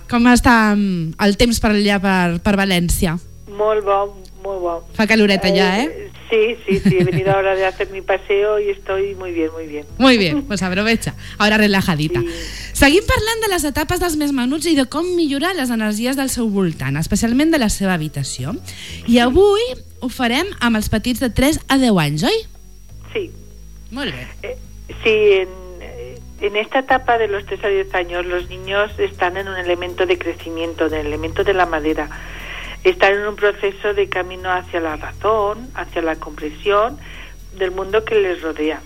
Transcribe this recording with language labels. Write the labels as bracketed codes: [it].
[ca] Com està el temps per allà, per València? Molt bo. [es] Muy bueno. [ca] Fa caloreta ya, ¿eh? [es] Sí, he venido ahora de hacer mi paseo y estoy muy bien, muy bien. Muy bien, pues aprovecha, ahora relajadita. Sí. [ca] Seguim parlant de les etapes dels més menuts i de com millorar les energies del seu voltant, especialment de la seva habitació. I avui ho farem amb els petits de 3 a 10 anys, oi? Sí. Molt bé. [es] Sí, en esta etapa de los 3 a 10 años los niños están en un elemento de crecimiento, en el elemento de la madera. Están en un proceso de camino hacia la razón, hacia la comprensión del mundo que les rodea.